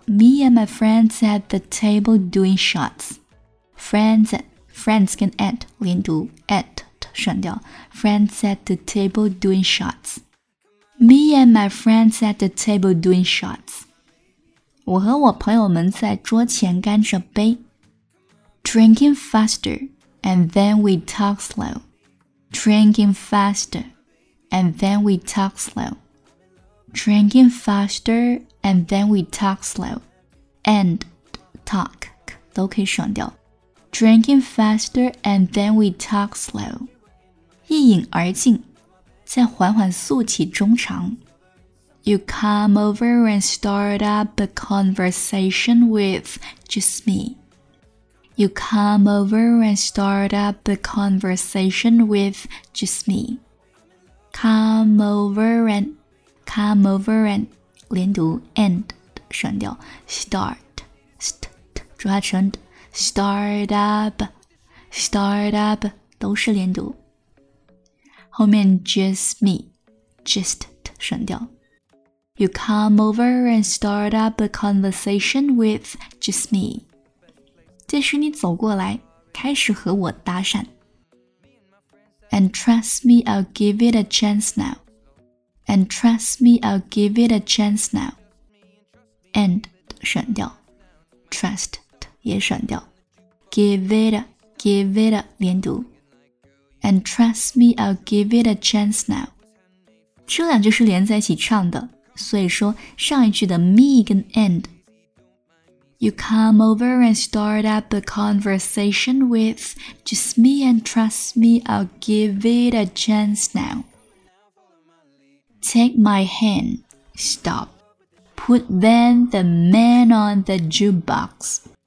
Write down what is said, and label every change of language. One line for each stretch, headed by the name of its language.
English: Me and my friends at the table doing shots.
Chinese: Friends friends 跟 at 连读 at 省掉。
English: Friends at the table doing shots. Me and my friends at the table doing shots.
Chinese: 我和我朋友们在桌前干着杯。
English: Drinking faster, and then we talk slow. Drinking faster, and then we talk slow. Drinking faster, and then we talk slow.
Chinese: And talk, 都可以省掉。
English: Drinking faster, and then we talk slow.
Chinese: 一饮而尽，再缓缓诉起衷肠。
English: You come over and start up a conversation with just me. You come over and start up a conversation with just me. Come over and come over and 连读 and 省掉 start st t 主要省 start up start up 都是连读，后面 just me just t 省掉。 You come over and start up a conversation with just me.
Chinese: 这是你走过来，开始和我搭讪。
English: And trust me, I'll give it a chance now. And trust me, I'll give it a chance now.
Chinese: And 省掉 ，trust 也省掉 give it a 连读。
English: And trust me, I'll give it a chance now.
Chinese: 这两句是连在一起唱的。所以说上一句的 me 跟 and
English: You come over and start up a conversation with just me and trust me, I'll give it a chance now. Take my hand. Stop. Put then the man on the jukebox.